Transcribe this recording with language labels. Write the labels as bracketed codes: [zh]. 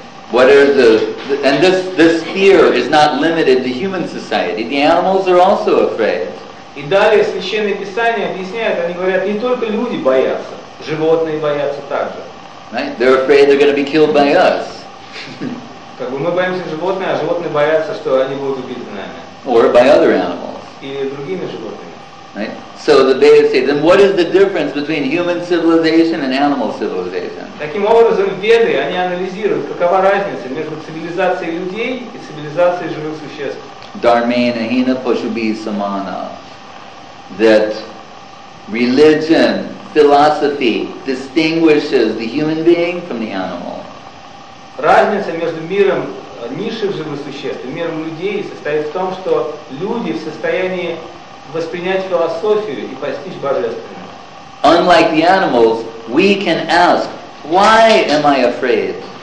[en] What are and this fear is not limited to human society. The animals are also afraid. [ru] И далее Священное Писание объясняет, они говорят, не только люди боятся, животные боятся также. [en] Right? They're afraid they're going to be killed by us. [ru] Как бы мы боимся животных, а животные боятся, что они будут убиты нами. [en] Or by other animals. [ru] Или другими животными. [en] Right? So the Vedas say, then what is the difference between human civilization and animal civilization? [ru] Таким образом, Веды, они анализируют, какова разница между цивилизацией людей и цивилизацией живых существ. [sa] Dharmena hina pashubhi samana. [en] That religion, philosophy distinguishes the human being from the animal. [ru] Разница между миром низших живых существ и миром людей состоит в том, что люди в состоянии воспринять философию и постичь божественное. [en] Unlike the animals, we can ask, why am I afraid?